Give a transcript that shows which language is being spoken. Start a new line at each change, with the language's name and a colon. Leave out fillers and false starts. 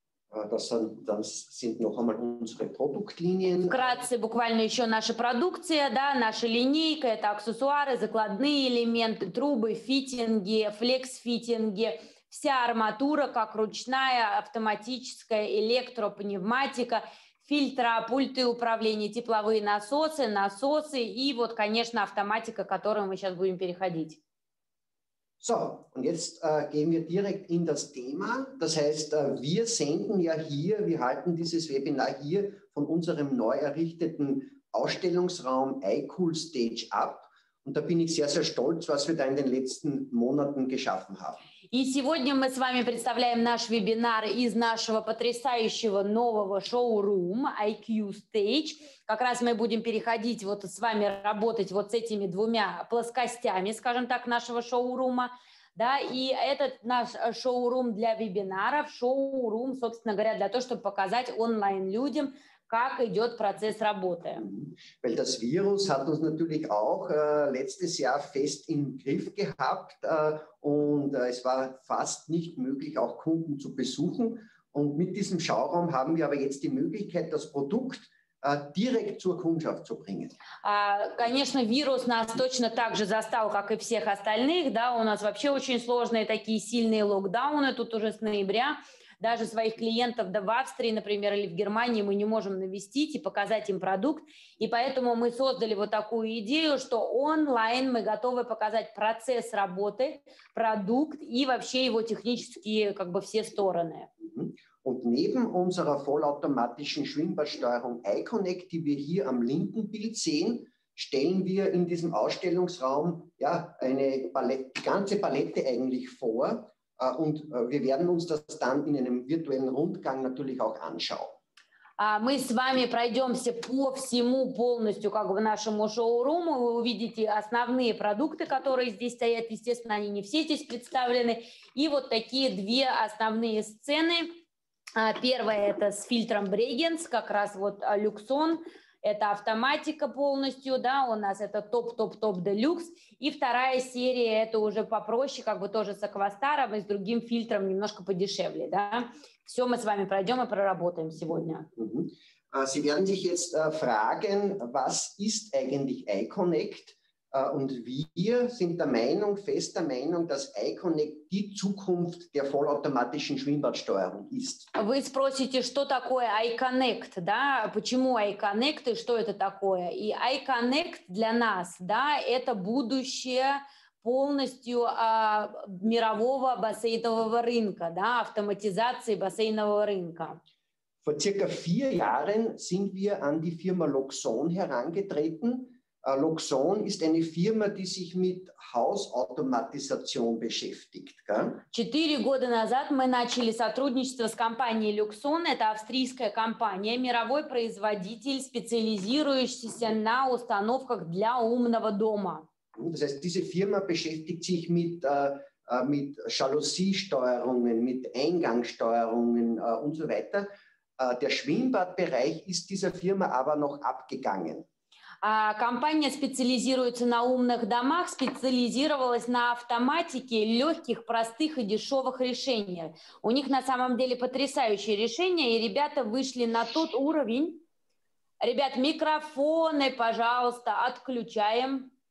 Russian: Вкратце, буквально еще наша продукция, да, наша линейка, это аксессуары, закладные элементы, трубы, фитинги, флекс-фитинги, вся арматура, как ручная, автоматическая, электропневматика, фильтра, пульты управления, тепловые насосы, насосы и вот, конечно, автоматика, к которой мы сейчас будем переходить.
German: So, und jetzt gehen wir direkt in das Thema. Das heißt, wir senden ja hier, wir halten dieses Webinar hier von unserem neu errichteten Ausstellungsraum iCool Stage ab. Und da bin ich sehr, sehr stolz, was wir da in den letzten Monaten geschaffen haben.
Russian: И сегодня мы с вами представляем наш вебинар из нашего потрясающего нового шоу-рум IQ Stage. Как раз мы будем переходить вот с вами работать вот с этими двумя плоскостями, скажем так, нашего шоу-рума. Да, и этот наш шоу-рум для вебинаров, шоу-рум, собственно говоря, для того, чтобы показать онлайн людям, как идет процесс работы.
German: Weil das Virus hat uns natürlich auch letztes Jahr fest im Griff gehabt und es war fast nicht möglich, auch Kunden zu besuchen. Und mit diesem Schauraum haben wir aber jetzt die Möglichkeit, das Produkt direkt zur Kundschaft zu bringen.
Russian: Конечно, вирус нас точно так же застал, как и всех остальных. Да? У нас вообще очень сложные такие сильные локдауны, тут уже с ноября. Даже своих клиентов да, в Австрии, например, или в Германии мы не можем навестить и показать им продукт. И поэтому мы создали вот такую идею, что онлайн мы готовы показать процесс работы, продукт и вообще его технические как бы все стороны.
German: Und neben unserer vollautomatischen Schwimmbadsteuerung iConnect, die wir hier am linken Bild sehen, stellen wir in diesem Ausstellungsraum ja, eine ganze Palette eigentlich vor. Und wir werden uns das dann in einem virtuellen Rundgang natürlich auch anschauen.
Russian: Мы с вами пройдемся по всему полностью как бы нашему шоу-руму. Вы увидите основные продукты, которые здесь стоят. Естественно, они не все здесь представлены. И вот такие две основные сцены. Первая – это с фильтром Bregenz, как раз вот Luxon. Это автоматика полностью, да, у нас это топ-топ-топ делюкс. И вторая серия, это уже попроще, как бы тоже с Аквастаром и с другим фильтром, немножко подешевле, да. Все мы с вами пройдем и проработаем сегодня.
German: Sie werden sich jetzt fragen, was ist eigentlich iConnect? Und wir sind der Meinung, fest der Meinung, dass iConnect die Zukunft der vollautomatischen Schwimmbadsteuerung ist.
Russian: Вы спросите, что такое iConnect, да? Почему iConnect и что это такое? И iConnect для нас, да, это будущее полностью мирового бассейнового рынка, да, автоматизации бассейнового рынка.
German: Vor circa 4 Jahren sind wir an die Firma Loxon herangetreten. Loxon ist eine Firma, die sich mit Hausautomatisation beschäftigt.
Russian: Четыре года назад мы начали сотрудничество с компанией Loxon. Это австрийская компания, мировой производитель, специализирующийся на установках для умного дома.
German: Das heißt, diese Firma beschäftigt sich mit Jalousiesteuerungen, mit Eingangssteuerungen und so weiter. Der Schwimmbadbereich ist dieser Firma aber noch abgegangen.
Russian: Компания специализируется на умных домах, специализировалась на автоматике легких, простых и дешевых решений. У них на самом деле потрясающие решения, и ребята вышли на тот уровень. Ребят, микрофоны, пожалуйста, отключаем.